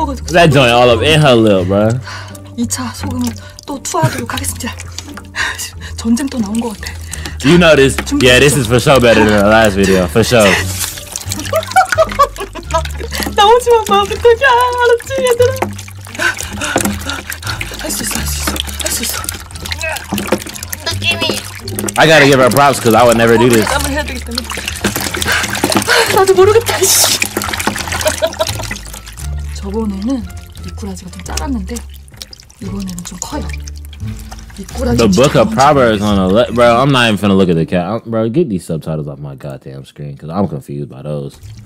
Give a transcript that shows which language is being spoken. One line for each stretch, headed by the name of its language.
English: That joint all up in her lip, bro.
Korean: 2차 소금은 또 투하하도록 하겠습니다. 전쟁 또 나온 것 같아.
English: You know this? Yeah, this is for sure better than the last video, for sure.
Korean: 나오지 마, 부탁이야, 알았지, 얘들아. 할 수 있어. 느낌이.
English: I gotta give her props because I would never do this.
Korean: 나도 모르겠다. 저번에는 미꾸라지가 좀 작았는데.
English: The book of Proverbs on a left, bro. I'm not even finna look at the cat, bro. Get these subtitles off my goddamn screen, cause I'm confused by those.